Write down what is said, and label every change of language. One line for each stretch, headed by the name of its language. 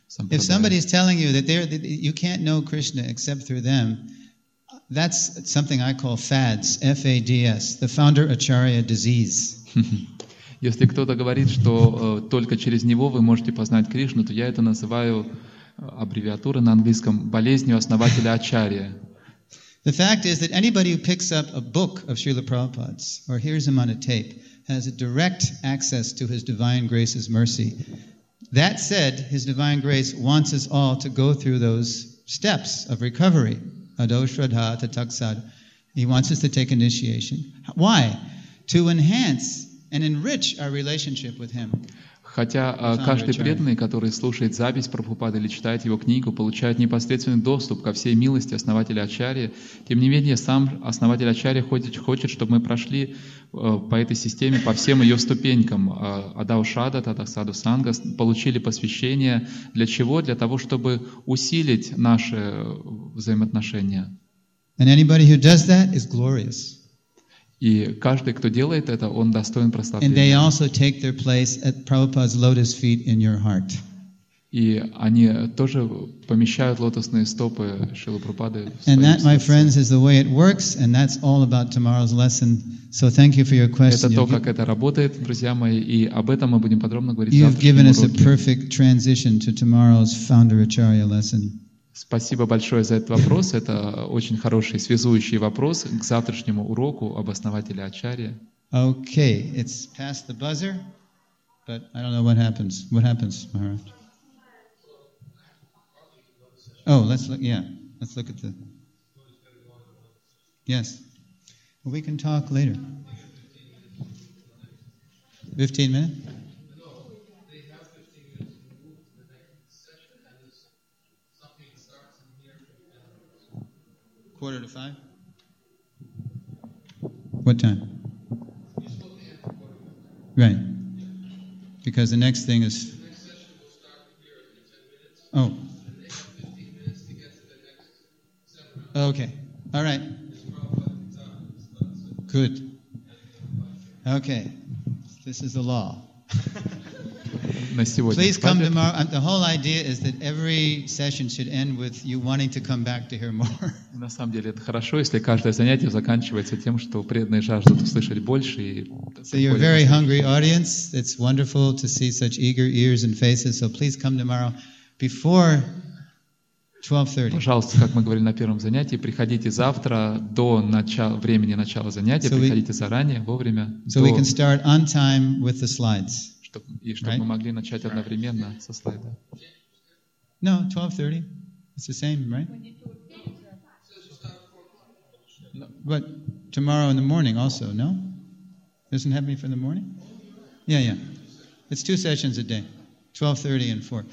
English: If somebody is telling you that you can't know Krishna except through them, that's something I call FADS, F-A-D-S, the Founder Acharya Disease.
Russian: Если кто-то говорит, что только через него вы можете познать Кришну, то я это называю аббревиатурой на английском болезнью основателя Ачарья.
English: The fact is that anybody who picks up a book of Srila Prabhupada's or hears him on a tape has a direct access to his divine grace's mercy. That said, his divine grace wants us all to go through those steps of recovery. Ado Shraddha Tataksad. He wants us to take initiation. Why? To enhance and enrich our relationship with him.
Russian: Хотя каждый преданный, который слушает запись Прабхупады или читает его книгу, получает непосредственный доступ ко всей милости основателя Ачарьи. Тем не менее, сам основатель Ачарьи хочет, чтобы мы прошли по этой системе, по всем ее ступенькам. Адаушада, Тадасаду Санга, получили посвящение. Для чего? Для того, чтобы усилить наши взаимоотношения.
English: And anybody who does that is glorious.
Russian: И каждый, кто делает это, он достоин прославления.
English: And they also take their place at Prabhupada's lotus feet in your heart.
Russian: И они тоже помещают лотосные стопы Шрилы Прабхупады в своём сердце.
English: And that, my friends, is the way it works, and that's all about tomorrow's lesson. So thank you for your question.
Russian: Это то, как это работает, друзья мои, и об этом мы будем подробно говорить завтра.
English: You've given us a perfect transition to tomorrow's Founder Acharya lesson.
Russian: Спасибо большое за этот вопрос. Это очень хороший связующий вопрос к завтрашнему уроку об основателе Ачарьи.
English: Okay, it's past the buzzer, but I don't know what happens. What happens, Maharaj? Oh, let's look at the... Yes. Well, we can talk later. 15 minutes? Quarter to five. What time? Right. Because the next thing is. The next session will start here in 10 minutes. Oh. And then 15 minutes to get to the next seminar. Okay. All right. It's good. Okay. This is the law. Please come tomorrow. The whole idea is that every session should end with you wanting to come back to hear more.
Russian: На самом деле это хорошо, если каждое занятие заканчивается тем, что преданные жаждут услышать больше. И
English: so you're a very hungry audience. It's wonderful to see such eager ears and faces. So please come tomorrow before 12:30.
Russian: Пожалуйста, как мы говорили на первом занятии, приходите завтра до времени начала занятия, приходите заранее, вовремя.
English: So we can start on time with the slides.
Russian: Чтобы мы могли начать одновременно со слайда.
English: No, 12:30. It's the same, right? But tomorrow in the morning also, no? Isn't happening for the morning? Yeah. It's two sessions a day. 12:30 and 4.